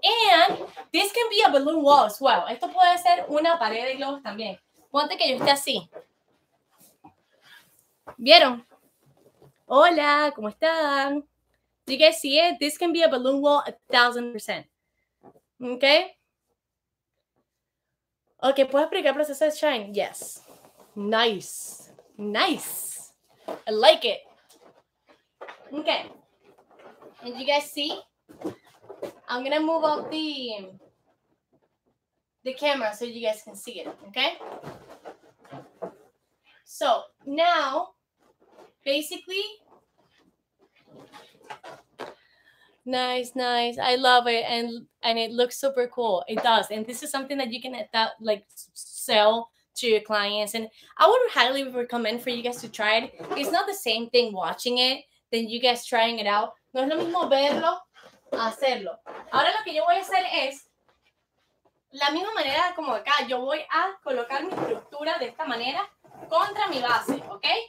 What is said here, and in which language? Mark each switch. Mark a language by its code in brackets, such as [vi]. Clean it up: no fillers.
[en] And this can be a balloon wall as well. [es] Esto puede ser una pared de globos también. Ponte que yo esté así. ¿Vieron? Hola, ¿cómo están? [en] Do you guys see it? This can be a balloon wall 1000%. Okay. Okay, [es] ¿puedes explicar el proceso de [en] shine? Yes. Nice. Nice. I like it. Okay. And you guys see? I'm gonna move up the camera so you guys can see it, okay? So now, basically, nice, nice. I love it, and it looks super cool. It does, and this is something that you can sell to your clients. And I would highly recommend for you guys to try it. It's not the same thing watching it than you guys trying it out. [es] No es lo mismo verlo, hacerlo. Ahora lo que yo voy a hacer es la misma manera como acá. Yo voy a colocar mi estructura de esta manera contra mi base, ¿ok?